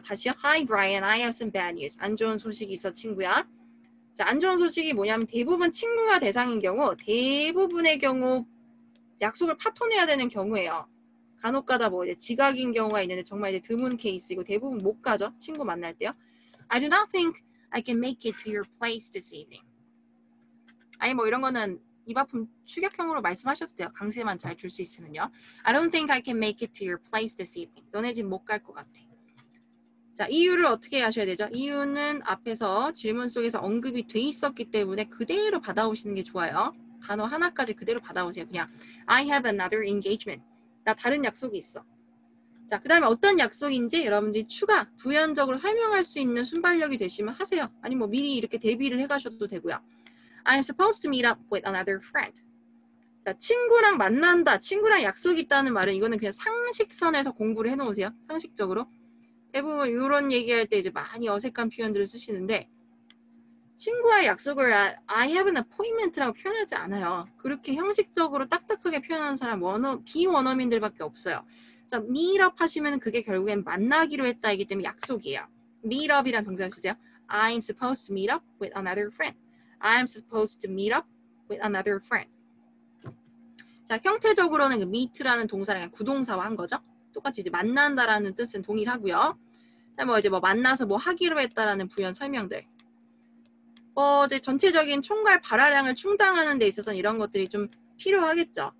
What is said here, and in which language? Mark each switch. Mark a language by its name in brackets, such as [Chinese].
[Korean] 다시요. [English] Hi, Brian. I have some bad news. [Korean] 안 좋은 소식이 있어, 친구야. 자, 안 좋은 소식이 뭐냐면 대부분 친구가 대상인 경우 대부분의 경우 약속을 파토내야 되는 경우예요. 간혹 가다 뭐 이제 지각인 경우가 있는데 정말 이제 드문 케이스이고 대부분 못 가죠. 친구 만날 때요. [English] I do not think I can make it to your place this evening. [Korean] 아니 뭐 이런 거는 입 아픔 추격형으로 말씀하셔도 돼요. 강세만 잘 줄 수 있으면요. [English] I don't think I can make it to your place this evening. [Korean] 너네 집 못 갈 것 같아. 자, 이유를 어떻게 하셔야 되죠? 이유는 앞에서 질문 속에서 언급이 돼 있었기 때문에 그대로 받아오시는 게 좋아요. 단어 하나까지 그대로 받아오세요. 그냥 [English] I have another engagement. [Korean] 나 다른 약속이 있어. 자, 그 다음에 어떤 약속인지 여러분들이 추가 부연적으로 설명할 수 있는 순발력이 되시면 하세요. 아니면 뭐 미리 이렇게 대비를 해가셔도 되고요. [English] I'm supposed to meet up with another friend. [Korean] 자, 친구랑 만난다, 친구랑 약속이 있다는 말은 이거는 그냥 상식선에서 공부를 해놓으세요. 상식적으로. 대부분 이런 얘기할 때 이제 많이 어색한 표현들을 쓰시는데 친구와 약속을 [English] I have an appointment [Korean] 라고 표현하지 않아요. 그렇게 형식적으로 딱딱하게 표현하는 사람 비원어민들밖에 없어요. 자, meet up 하시면 그게 결국엔 만나기로 했다이기 때문에 약속이에요. meet up이라는 동사를 쓰세요. [English] I'm supposed to meet up with another friend. I'm supposed to meet up with another friend. [Korean] 자, 형태적으로는 그 meet라는 동사랑 구동사와 한 거죠. 똑같이 이제 만난다라는 뜻은 동일하고요. 뭐 이제 뭐 만나서 뭐 하기로 했다라는 부연 설명들. 이제 전체적인 총괄 발화량을 충당하는 데 있어서는 이런 것들이 좀 필요하겠죠.